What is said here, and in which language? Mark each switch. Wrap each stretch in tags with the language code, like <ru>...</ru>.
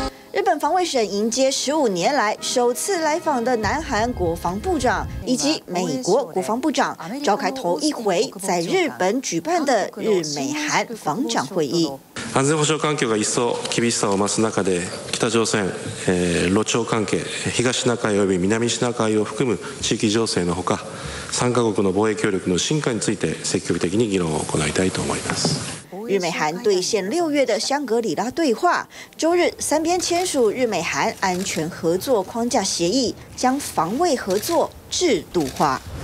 <zh>日本防卫省迎接15年来首次来访的南韩国防部长以及美国国防部长，召开头一回在日本举办的日美韩防长会议。</zh> <ja>安全保障環境が一層厳しさを増す中で、北朝鮮、露朝関係、東シナ海および南シナ海を含む地域情勢のほか、三カ国の防衛協力の深化について積極的に議論を行いたいと思います。</ja> <zh>日美韩兑现6月的香格里拉对话，周日三边签署日美韩安全合作框架协议，将防卫合作制度化。</zh>